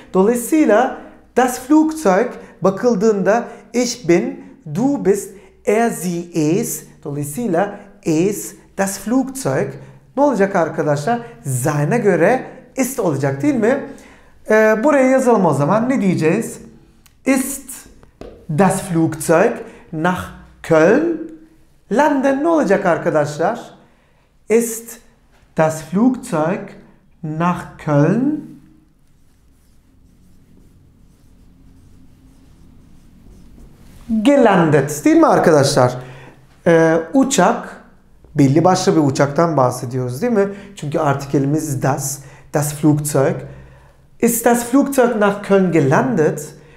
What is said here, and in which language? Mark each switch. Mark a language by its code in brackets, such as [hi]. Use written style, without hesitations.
[de] Dolayısıyla das Flugzeug bakıldığında ich bin, du bist, er, sie, es. [tr] Dolayısıyla es, das Flugzeug. Ne olacak arkadaşlar? Seine göre ist olacak, değil mi? Buraya yazalım o zaman. Ne diyeceğiz? [de] Ist das Flugzeug nach Köln? [tr] London ne olacak arkadaşlar? [de] Ist das Flugzeug nach Köln? [tr] Gelandet, değil mi arkadaşlar? Uçak. Belli başlı bir uçaktan bahsediyoruz, değil mi? Çünkü artikelimiz [de] das, das Flugzeug. Ist das Flugzeug nach Köln gelandet?